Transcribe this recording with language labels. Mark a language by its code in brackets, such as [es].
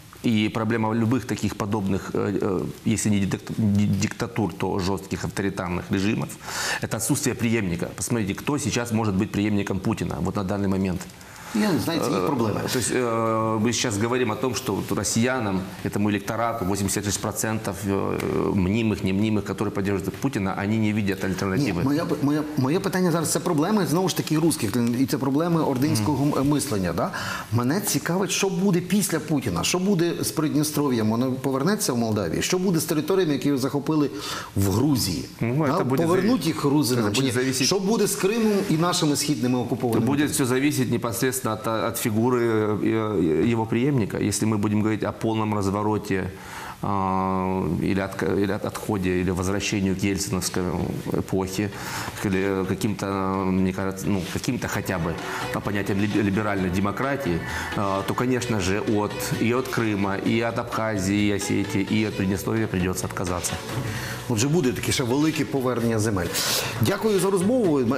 [ru] И проблема любых таких подобных, если не диктатур, то жестких авторитарных режимов, это отсутствие преемника. Посмотрите, кто сейчас может быть преемником Путина вот на данный момент? Знаете, есть проблемы. То есть мы сейчас говорим о том, что вот россиянам, этому электорату, 86% мнимых, немнимых, которые поддерживают Путина, они не видят альтернативы. [uk] Нет, моє питання зараз – це проблеми, знову ж таки, русских, і це проблеми ординського мислення. Да? Мене цікавить, що буде після Путіна, що буде з Придністров'ям, воно повернеться в Молдавії, що буде з територіями, які захопили в Грузії, повернуть їх грузи, що буде з Кримом і нашими східними окупованими. Буде все залежати непосередньо [ru] от фигуры его преемника. Если мы будем говорить о полном развороте или отходе, или возвращению к ельциновской эпохе, или каким-то, мне кажется, ну, каким-то хотя бы по понятиям либеральной демократии, то, конечно же, от Крыма, и от Абхазии, и Осетии, и от Приднестровья придется отказаться. [uk] Отже, буде таке ще велике повернення земель. Дякую за розмову.